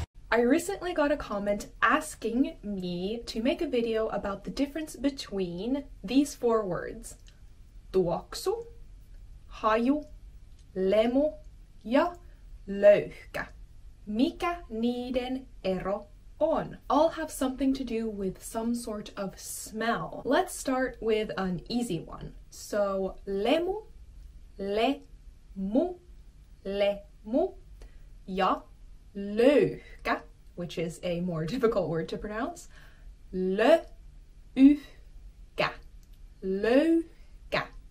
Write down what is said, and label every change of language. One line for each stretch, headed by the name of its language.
English: I recently got a comment asking me to make a video about the difference between these four words.
Finnish: Tuoksu, haju, lemu ja löyhkä. Mikä niiden ero on?
English: All have something to do with some sort of smell. Let's start with an easy one. So, lemu, lemu, lemu, ja löyhkä, which is a more difficult word to pronounce, löyhkä, löyhkä.